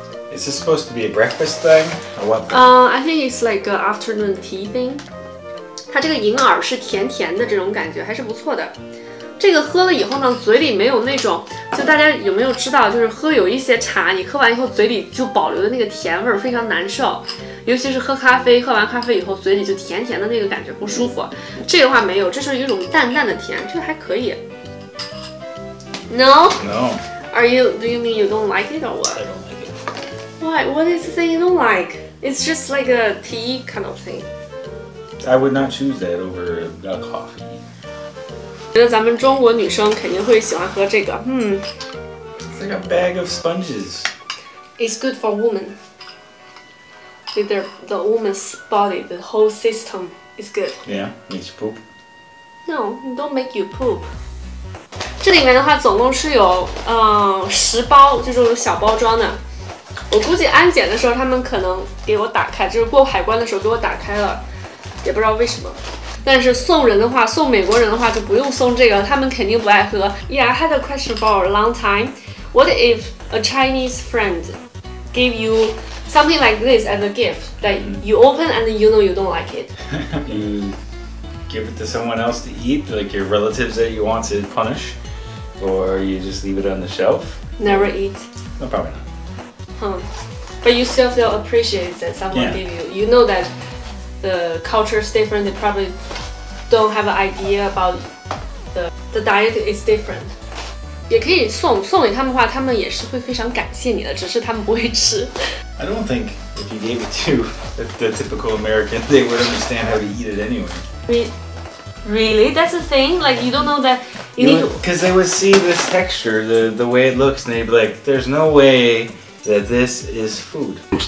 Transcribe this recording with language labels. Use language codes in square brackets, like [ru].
[en] Is this supposed to be a breakfast thing or what? I think it's like an afternoon tea thing. [zh] 它这个银耳是甜甜的，这种感觉还是不错的。这个喝了以后呢，嘴里没有那种，就大家有没有知道，就是喝有一些茶，你喝完以后嘴里就保留的那个甜味非常难受，尤其是喝咖啡，喝完咖啡以后嘴里就甜甜的那个感觉不舒服。这个话没有，这是一种淡淡的甜，这个还可以。 [en] No? No. Do you mean you don't like it or what? I don't like it. Why? What is the thing you don't like? It's just like a tea kind of thing. I would not choose that over a coffee. [zh] 觉得咱们中国女生肯定会喜欢喝这个，嗯。 [en] It's like a bag of sponges. It's good for women. With the woman's body, the whole system is good. Yeah, makes you poop. No, don't make you poop. [zh] 这里面的话总共是有十包，就是小包装的。我估计安检的时候他们可能给我打开，就是过海关的时候给我打开了，也不知道为什么。但是送人的话，送美国人的话就不用送这个，他们肯定不爱喝。 [en] Yeah, I had a question for a long time. What if a Chinese friend gave you something like this as a gift that you open and you know you don't like it? You give it to someone else to eat, like your relatives that you want to punish, or you just leave it on the shelf? Never eat. No, probably not. Huh. But you still feel appreciated that someone yeah. gave you. You know that. The culture is different. They probably don't have an idea about the diet is different. [zh] 也可以送给他们的话，他们也是会非常感谢你的，只是他们不会吃。 [en] I don't think if you gave it to the typical American, they would understand how to eat it anyway. Really? That's the thing? Like you don't know that you need to? Because they would see this texture, the way it looks, and they'd be like, "There's no way that this is food."